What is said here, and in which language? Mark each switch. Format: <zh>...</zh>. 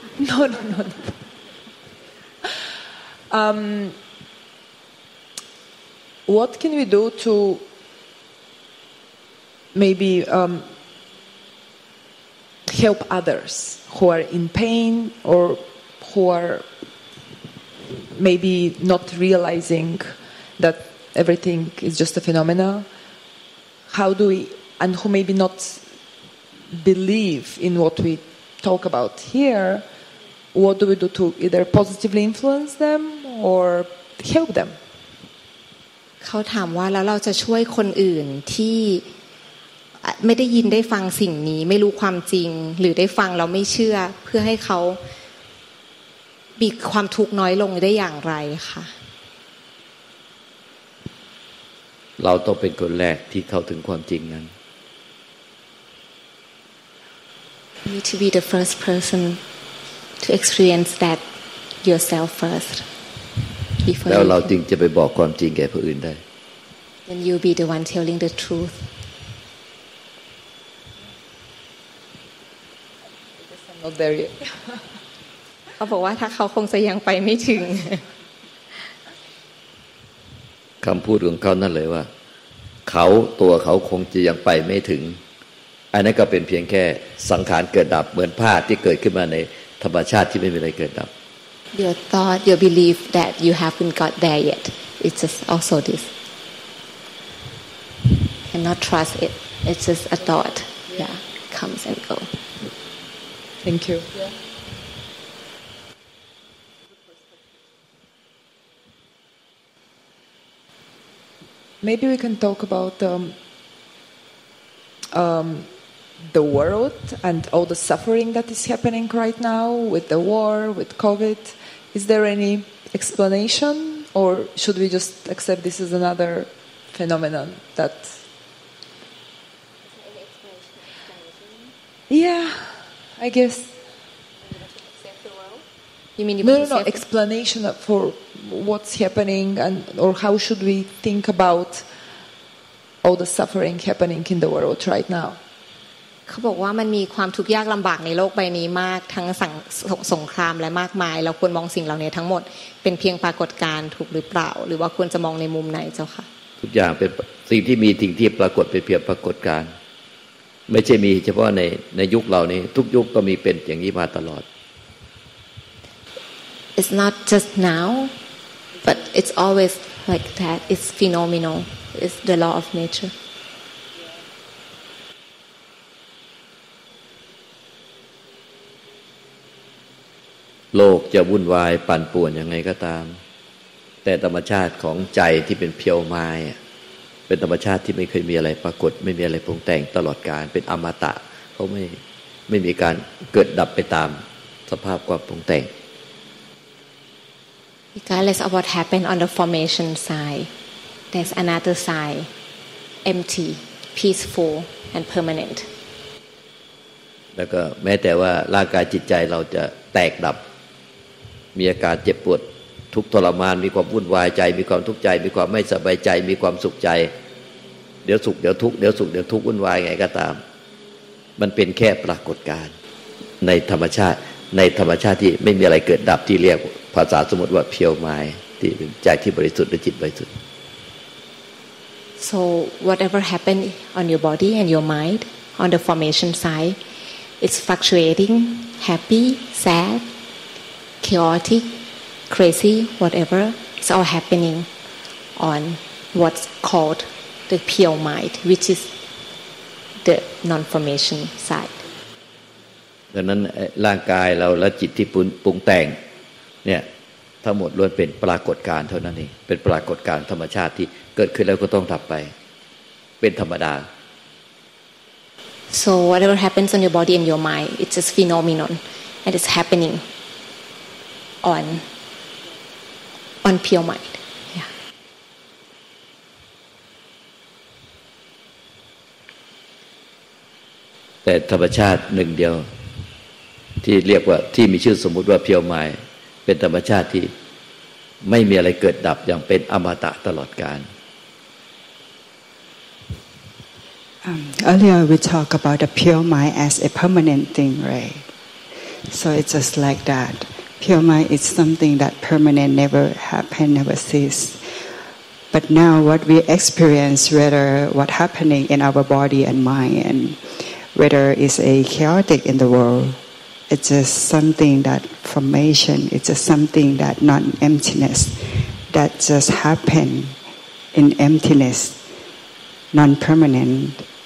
<en>no what can we do to maybe help others who are in pain or who are maybe not realizing that everything is just a phenomena? How do we, and who maybe not believe in what we talk about here, what do we do to either positively influence them or help them?</en> <th>เขาถามว่าแล้วเราจะช่วยคนอื่นที่ไม่ได้ยินได้ฟังสิ่งนี้ไม่รู้ความจริงหรือได้ฟังแล้วไม่เชื่อเพื่อให้เขาบีบความทุกข์น้อยลงได้อย่างไรคะ เราต้องเป็นคนแรกที่เข้าถึงความจริงนั้น</th> <en>You need to be the first person to experience that yourself first</en> <th>before แล้วเราจึงจะไปบอกความจริงแก่ผู้อื่นได้</th> <en>Then you'll be the one telling the truth Not there yet.</en> <th>เขาบอกว่าถ้าเขาคงจะยังไปไม่ถึง คำพูดของเขานั่นเลยว่าเขาตัวเขาคงจะยังไปไม่ถึงอันนั้นก็เป็นเพียงแค่สังขารเกิดดับเหมือนผ้าที่เกิดขึ้นมาในธรรมชาติที่ไม่มีอะไรเกิดดับ</th> <en>Your thought, your belief that you haven't got there yet, it's just also this. Cannot trust it. It's just a thought. Yeah, comes and goes. Thank you. Maybe we can talk about the world and all the suffering that is happening right now with the war, with COVID. Is there any explanation, or should we just accept this as another phenomenon that? Yeah, I guess. You mean you no explanation for what's happening, and or how should we think about all the suffering happening in the world right now?</en> <th>เขาบอกว่ามันมีความทุกข์ยากลำบากในโลกใบนี้มากทั้งสงครามและมากมายเราควรมองสิ่งเหล่านี้ทั้งหมดเป็นเพียงปรากฏการณ์ถูกหรือเปล่าหรือว่าควรจะมองในมุมไหนเจ้าค่ะ ทุกอย่างเป็นสิ่งที่มีสิ่งที่ปรากฏเป็นเพียงปรากฏการณ์ไม่ใช่มีเฉพาะในยุคเหล่านี้ทุกยุคก็มีเป็นอย่างนี้มาตลอด</th> <en>It's not just now but it's always like that it's phenomenal it's the law of nature</en> <th>โลกจะวุ่นวายปั่นป่วนยังไงก็ตามแต่ธรรมชาติของใจที่เป็นเพียวมายเป็นธรรมชาติที่ไม่เคยมีอะไรปรากฏไม่มีอะไรปรุงแต่งตลอดกาลเป็นอมตะเขาไม่มีการเกิดดับไปตามสภาพความปรุงแต่ง</th> <en>Regardless of what happened on the formation side there's another side empty peaceful and permanent</en> <th>แล้วก็แม้แต่ว่าร่างกายจิตใจเราจะแตกดับมีอาการเจ็บปวดทุกข์ทรมานมีความวุ่นวายใจมีความทุกข์ใจมีความไม่สบายใจมีความสุขใจเดี๋ยวสุขเดี๋ยวทุกข์เดี๋ยวสุขเดี๋ยวทุกข์วุ่นวายไงก็ตามมันเป็นแค่ปรากฏการณ์ในธรรมชาติที่ไม่มีอะไรเกิดดับที่เรียกภาษาสมมติว่าเพียวมายที่เป็นใจที่บริสุทธิ์หรือจิตบริสุทธิ์</th> <en>So whatever happened on your body and your mind on the formation sideIt's fluctuating, happy, sad, chaotic, crazy, whatever. It's all happening on what's called the pure mind, which is the non-formation side.</en> <th>ดังนั้นร่างกายเราและจิตที่ปรุงแต่งเนี่ยทั้งหมดล้วนเป็นปรากฏการณ์เท่านั้นเองเป็นปรากฏการณ์ธรรมชาติที่เกิดขึ้นแล้วก็ต้องดับไปเป็นธรรมดา</th> <en>So whatever happens on your body and your mind, it's just phenomenon, and it's happening on pure mind. Yeah.</en> <th>แต่ธรรมชาติหนึ่งเดียวที่เรียกว่าที่มีชื่อสมมติว่าพียวมายเป็นธรรมชาติที่ไม่มีอะไรเกิดดับอย่างเป็นอมตะตลอดกาล</th> <en>Earlier we talked about the pure mind as a permanent thing, right? So it's just like that. Pure mind is something that permanent, never happened, never cease. But now what we experience, whether what's happening in our body and mind, and whether it's a chaotic in the world, it's just something that formation, it's just something that non-emptiness, that just happened in emptiness, non-permanent.</en>